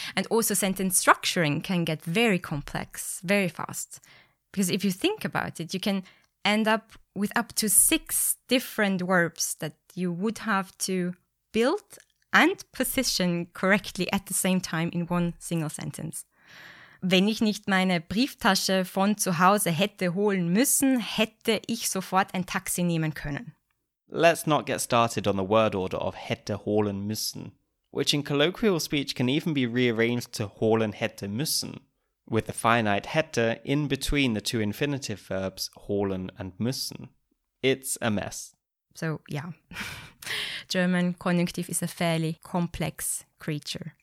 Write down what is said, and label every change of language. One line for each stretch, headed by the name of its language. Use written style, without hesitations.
English: And also sentence structuring can get very complex, very fast. Because if you think about it, you can end up with up to 6 different verbs that you would have to build and position correctly at the same time in one single sentence.
German: Wenn ich nicht meine Brieftasche von zu Hause hätte holen müssen, hätte ich sofort ein Taxi nehmen können.
English: Let's not get started on the word order of
German: hätte holen müssen,
English: which in colloquial speech can even be rearranged to
German: holen hätte müssen,
English: with the finite hätte in between the two infinitive verbs holen and müssen. It's a mess. So, yeah. German conjunctive is a fairly complex creature.